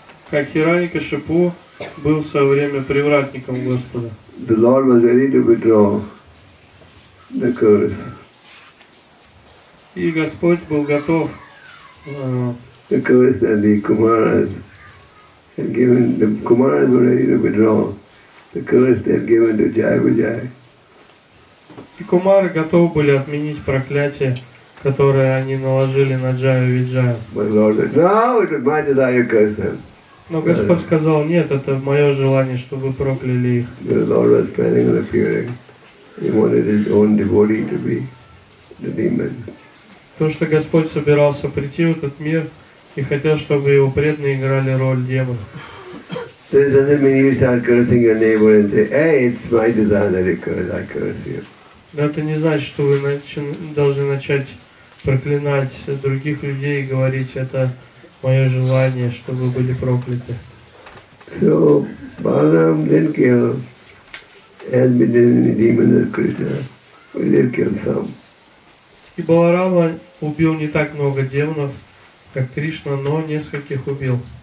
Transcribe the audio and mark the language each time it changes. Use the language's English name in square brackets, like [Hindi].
[Russian] Как Хиранья-Кашипу был в свое время привратником Господа. [English] The Lord was ready to withdraw the curse. [Russian] И Господь был готов. [English] The curse that the Kumaras had given, the Kumaras were ready to withdraw the curse they had given to Jayavijaya. [Russian] И Кумары готовы были отменить проклятие, которое они наложили на Джая-Виджая. [English] But Lord said, no, it was my desire to curse them. [Russian] Но Господь сказал, нет, это мое желание, чтобы вы прокляли их. [English] The Lord was planning on appearing. He wanted his own devotee to be the demon. [Russian] То, что Господь собирался прийти в этот мир и хотел, чтобы его преданные играли роль демона. Это не значит, что вы должны начать проклинать других людей и говорить, это мое желание, чтобы вы были прокляты. [English] So, Balaram then came and became a demon of Krishna. He did kill some. [Russian] И Баларама убил не так много демонов, как Кришна, но нескольких убил.